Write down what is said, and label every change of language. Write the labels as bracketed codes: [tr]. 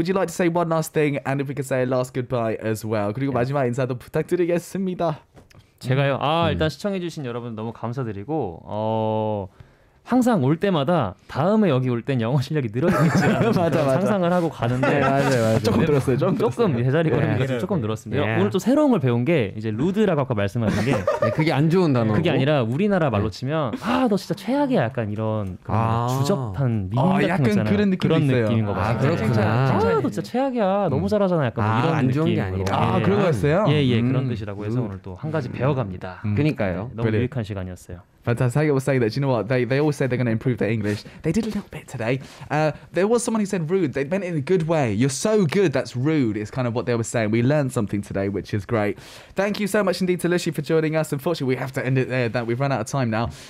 [en] Would you like to say one last thing? And if we could say a last goodbye as well. [ko] 그리고 마지막 인사도 부탁드리겠습니다. 제가요? 아, 일단 시청해주신 여러분 너무 감사드리고 항상 올 때마다 다음에 여기 올 땐 영어 실력이 늘어나겠지 상상을 하고 가는데 네, 맞아요, 맞아요. 조금 늘었어요. 조금, 조금 제자리 걸음이 네. 조금 늘었습니다. 네. 오늘 또 새로운 걸 배운 게 이제 루드라고 아까 말씀하신 게 네, 그게 안 좋은 단어 그게 아니라 우리나라 말로 치면 아, 너 진짜 최악이야 약간 이런 주접한 미인 같은 거잖아요. 약간 그런 느낌 그런 있어요. 느낌인 거 아, 그렇구나. 아, 너 진짜 최악이야. 너무 잘하잖아 약간 뭐 이런 안 좋은 게 아니라 아, 그런 거였어요? 예, 예, 그런 뜻이라고 해서 오늘 또 한 가지 배워갑니다. 그러니까요. 네, 너무 유익한 시간이었어요. [en] Fantastic. Sangyeop was saying that, you know what, they always said they're going to improve their English. They did a little bit today. There was someone who said rude. They meant it in a good way. You're so good, that's rude, is kind of what they were saying. We learned something today, which is great. Thank you so much indeed to Lushi for joining us. Unfortunately, we have to end it there, that we've run out of time now.